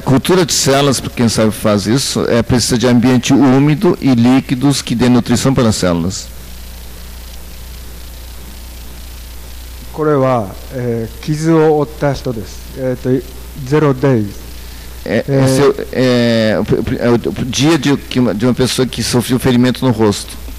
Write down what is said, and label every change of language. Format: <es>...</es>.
<pt>cultura de células, para quem sabe fazer isso, é preciso de ambiente úmido e líquidos que dê nutrição para as células.</pt> <ja>これは傷を負った人です。</ja> <en>0 days.</en> <pt>É o dia de uma pessoa que sofreu ferimento no rosto.</pt>